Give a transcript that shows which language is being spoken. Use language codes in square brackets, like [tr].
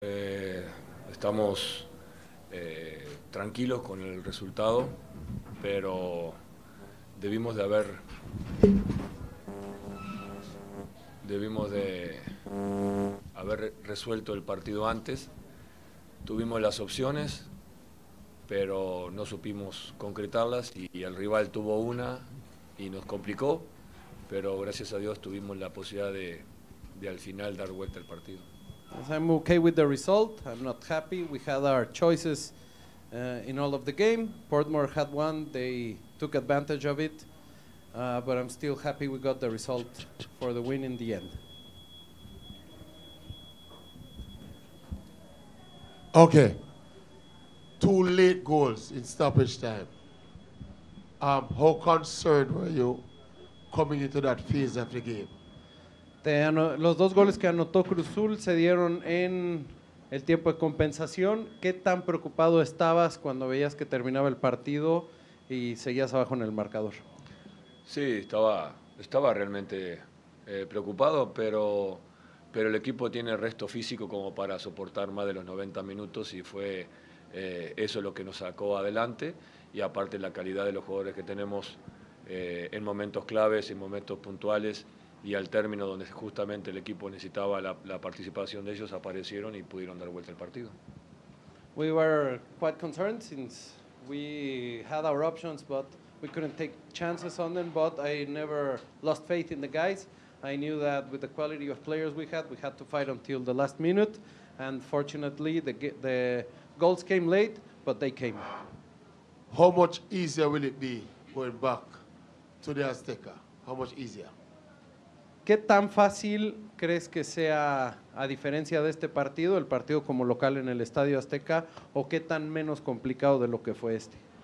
[es] estamos tranquilos con el resultado, pero debimos de haber resuelto el partido antes. Tuvimos las opciones, pero no supimos concretarlas y el rival tuvo una y nos complicó, pero gracias a Dios tuvimos la posibilidad de al final dar vuelta al partido. [en] I'm okay with the result. I'm not happy. We had our choices in all of the game. Portmore had one. They took advantage of it. But I'm still happy we got the result for the win in the end. Okay. Two late goals in stoppage time. How concerned were you coming into that phase of the game? [es] Los dos goles que anotó Cruzul se dieron en el tiempo de compensación. ¿Qué tan preocupado estabas cuando veías que terminaba el partido y seguías abajo en el marcador? Sí, estaba realmente preocupado, pero el equipo tiene resto físico como para soportar más de los 90 minutos y fue eso lo que nos sacó adelante. Y aparte la calidad de los jugadores que tenemos en momentos claves, en momentos puntuales, y al término donde justamente el equipo necesitaba la participación de ellos, aparecieron y pudieron dar vuelta al partido. [en] We were quite concerned since we had our options, but we couldn't take chances on them, but I never lost faith in the guys. I knew that with the quality of players we had to fight until the last minute, and fortunately the goals came late, but they came. How much easier will it be going back to the Azteca? How much easier? [es] ¿Qué tan fácil crees que sea, a diferencia de este partido, el partido como local en el Estadio Azteca, o qué tan menos complicado de lo que fue este?